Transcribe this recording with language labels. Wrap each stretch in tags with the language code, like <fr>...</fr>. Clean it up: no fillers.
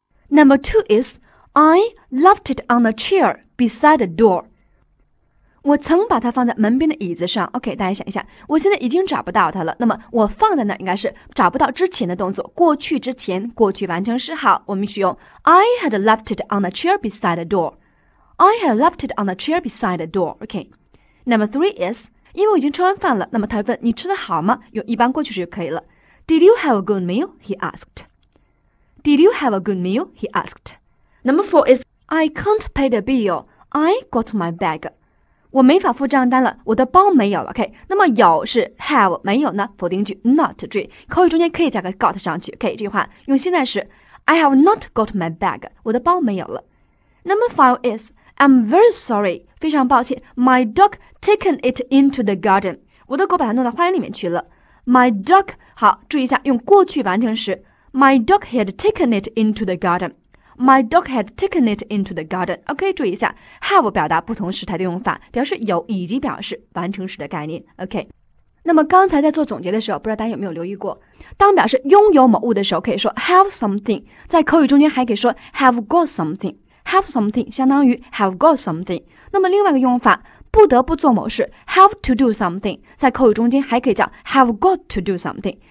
<en>Number two is, I left it on a chair beside the door.</en> <zh>我曾把它放在门边的椅子上。OK, 大家想一下，我现在已经找不到它了。那么我放在那应该是找不到之前的动作，过去之前，过去完成时。好，我们使用</zh> <en>I had left it on a chair beside the door. I had left it on a chair beside the door. OK. Number three is,</en> <zh>因为我已经吃完饭了，那么他问你吃得好吗？用一般过去时就可以了。</zh> <en>Did you have a good meal? He asked. Did you have a good meal? He asked. Number four is, I can't pay the bill. I got my bag.</en> <zh>我没法付账单了，我的包没有了。OK, 那么有是 have, 没有呢？否定句 not, 注意，口语中间可以加个 got 上去。OK, 这句话用现在时</zh> <en>I have not got my bag.</en> <zh>我的包没有了。</zh> <en>Number five is,I'm very sorry,</en> <zh>非常抱歉。</zh> <en>My dog taken it into the garden.</en> <zh>我的狗把它弄到花园里面去了。 My dog, 好，注意一下，用过去完成时。</zh> <en>My dog had taken it into the garden. My dog had taken it into the garden.</en> <zh>OK, 注意一下 ,have 表达不同时态的用法，表示有以及表示完成时的概念。 OK, 那么刚才在做总结的时候，不知道大家有没有留意过，当表示拥有某物的时候，可以说 have something, 在口语中间还可以说 have got something. Have something 相当于 have got something. 那么另外一个用法，不得不做某事 have to do something, 在口语中间还可以叫 have got to do something.</zh>